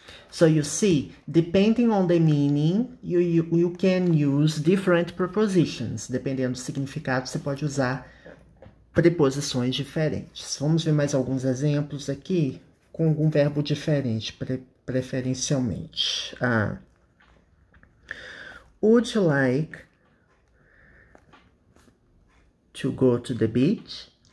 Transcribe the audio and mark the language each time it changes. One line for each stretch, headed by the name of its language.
English: So you see, depending on the meaning, you can use different prepositions.
Portuguese: Dependendo do significado, você pode usar preposições diferentes. Vamos ver mais alguns exemplos aqui com algum verbo diferente, preferencialmente.
English: Would you like to go to the beach?